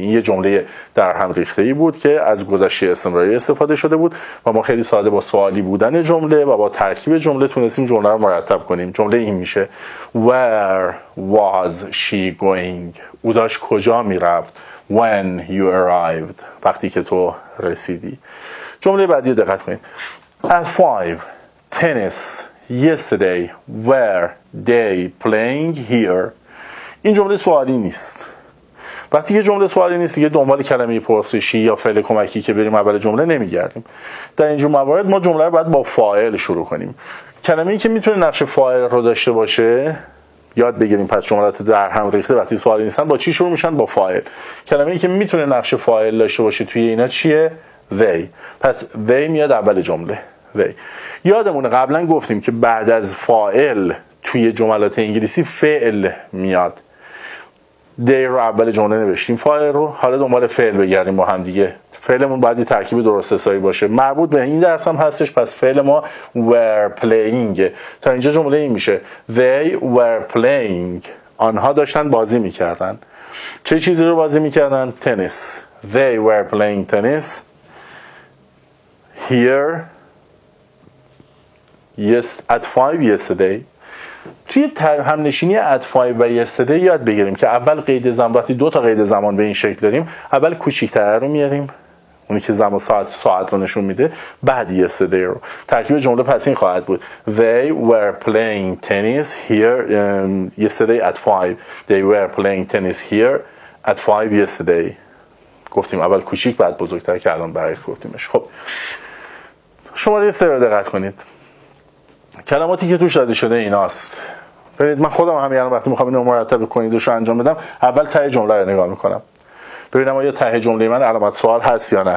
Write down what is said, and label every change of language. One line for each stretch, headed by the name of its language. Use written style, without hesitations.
Persian: این یه جمله در هم ریخته ای بود که از گذشته استمراری استفاده شده بود و ما خیلی ساده با سوالی بودن جمله و با ترکیب جمله تونستیم جمله رو مرتب کنیم. جمله این میشه
English: where was she going،
Persian: او داشت کجا میرفت.
English: when you arrived
Persian: وقتی که تو رسیدی. جمله بعدی رو دقت کنید.
English: at 5 tennis yesterday were they playing here.
Persian: این جمله سوالی نیست. وقتی که جمله سوالی نیست دیگه دنبال کلمه پرسشی یا فعل کمکی که بریم اول جمله نمیگردیم. در اینجور موارد ما جمله رو باید با فاعل شروع کنیم. کلمه ای که میتونه نقش فاعل رو داشته باشه، یاد بگیریم پس جملات در هم ریخته وقتی سوالی نیستن با چی شروع میشن؟ با فاعل. کلمه ای که میتونه نقش فاعل داشته باشه توی اینا چیه؟ they. پس they میاد اول جمله.
English: they.
Persian: یادمونه قبلا گفتیم که بعد از فاعل توی جملات انگلیسی فعل میاد. they رو اول جمله نوشتیم فاعل رو، حالا دنبال فعل بگردیم با هم دیگه. فعلمون باید یه ترکیب درست حسابی باشه، مربوط به این درس هم هستش، پس فعل ما
English: were playing.
Persian: تا اینجا جمله این میشه
English: they were playing،
Persian: آنها داشتن بازی میکردن. چه چیزی رو بازی میکردن؟ تنیس.
English: they were playing tennis here at 5 yesterday.
Persian: توی همنشینی at 5 و yesterday یاد بگیریم که اول قید زمان، وقتی دو تا قید زمان به این شکل داریم، اول کوچیک‌تر رو میاریم، اونی که زمان ساعت رو نشون میده، بعد yesterday رو. ترکیب جمله پس این خواهد بود
English: they were playing tennis here yesterday at 5. they were playing tennis here at 5 yesterday.
Persian: گفتیم اول کوچیک بعد بزرگتر که الان برای گفتیمش. خب شماره 3 رو دقت کنید. کلماتی که توش داده شده ایناست. ببینید من خودم همین الان وقتی میخوام اینو مرتب کنید و شو انجام بدم، اول ته جمله رو نگاه میکنم ببینم آیا ته جمله من علامت سوال هست یا نه.